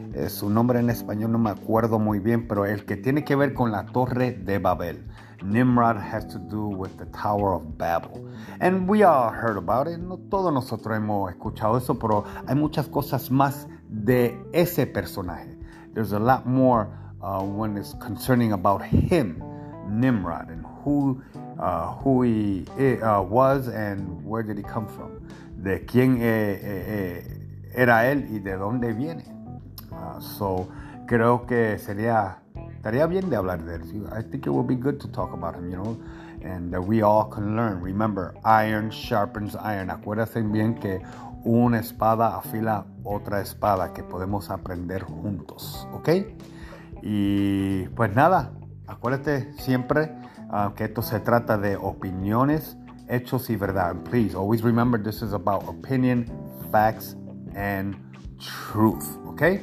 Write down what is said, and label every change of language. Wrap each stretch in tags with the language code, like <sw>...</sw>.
<es>Su nombre en español no me acuerdo muy bien, pero el que tiene que ver con la Torre de Babel.</es> <en>Nimrod has to do with the Tower of Babel. And we all heard about it.</en> <es>No todos nosotros hemos escuchado eso, pero hay muchas cosas más de ese personaje.</es> <en>There's a lot more when it's concerning about him, Nimrod, and who he was and where did he come from.</en> <es>De quién era él y de dónde viene. So, creo que sería... Estaría bien de hablar de él.</es> <en>I think it would be good to talk about him, you know, and that we all can learn. Remember, iron sharpens iron.</en> <es>Acuérdense bien que una espada afila otra espada, que podemos aprender juntos, ¿ok? Y pues nada, acuérdate siempre que esto se trata de opiniones, hechos y verdad.</es> <en>And please, always remember this is about opinion, facts, and truth, ¿ok?</en>